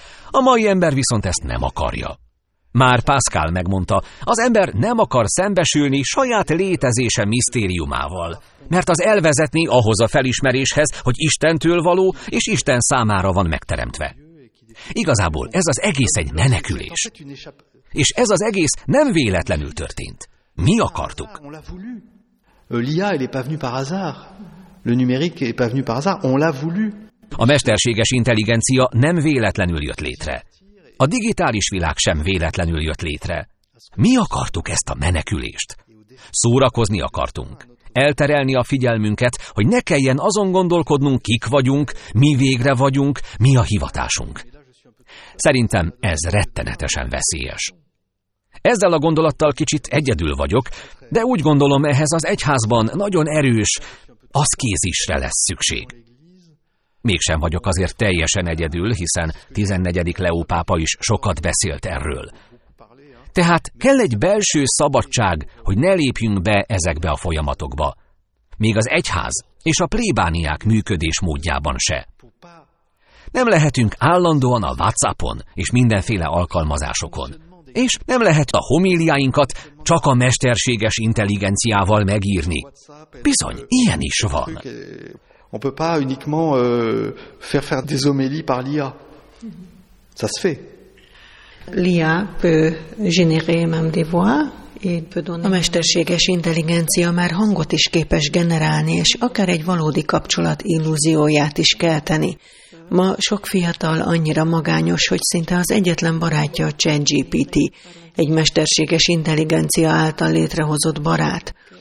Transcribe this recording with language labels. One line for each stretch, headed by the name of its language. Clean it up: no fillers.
Hungarian: A mai ember viszont ezt nem akarja. Már Pascal megmondta, az ember nem akar szembesülni saját létezése misztériumával, mert az elvezetni ahhoz a felismeréshez, hogy Istentől való, és Isten számára van megteremtve. Igazából ez az egész egy menekülés. És ez az egész nem véletlenül történt. Mi akartuk?
French: L'IA n'est pas venu par hasard. Le numérique n'est pas venu par hasard. On l'a voulu.
Hungarian: A mesterséges intelligencia nem véletlenül jött létre. A digitális világ sem véletlenül jött létre. Mi akartuk ezt a menekülést? Szórakozni akartunk. Elterelni a figyelmünket, hogy ne kelljen azon gondolkodnunk, kik vagyunk, mi végre vagyunk, mi a hivatásunk. Szerintem ez rettenetesen veszélyes. Ezzel a gondolattal kicsit egyedül vagyok, de úgy gondolom, ehhez az egyházban nagyon erős aszkézisre lesz szükség. Mégsem vagyok azért teljesen egyedül, hiszen 14. Leó pápa is sokat beszélt erről. Tehát kell egy belső szabadság, hogy ne lépjünk be ezekbe a folyamatokba. Még az egyház és a plébániák működésmódjában se. Nem lehetünk állandóan a WhatsAppon és mindenféle alkalmazásokon. És nem lehet a homíliáinkat csak a mesterséges intelligenciával megírni. Bizony, ilyen is van.
French: On peut pas uniquement faire des homélies par l'IA. Ça se fait. L'IA peut générer même des voix et peut donner.
Hungarian: A mesterséges intelligencia már hangot is képes generálni, és akár egy valódi kapcsolat illúzióját is kelteni. Ma sok fiatal annyira magányos, hogy szinte az egyetlen barátja a ChatGPT, egy mesterséges intelligencia által létrehozott barát.